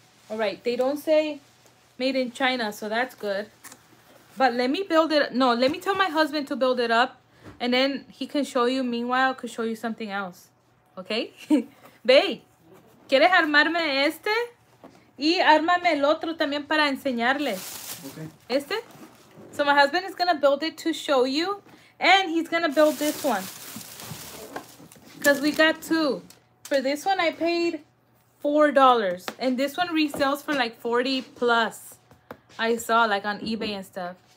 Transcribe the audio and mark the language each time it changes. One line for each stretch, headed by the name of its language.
English: All right, they don't say made in China, so that's good. But let me build it. No, let me tell my husband to build it up, and then he can show you. Meanwhile, could show you something else. Okay?
Spanish: Ve, ¿quieres armarme este? Y ármame el otro también para enseñarle.
English: Okay.
Spanish: Este.
English: So my husband is going to build it to show you. And he's going to build this one. Because we got two. For this one, I paid $4. And this one resells for like $40+. I saw like on eBay and stuff.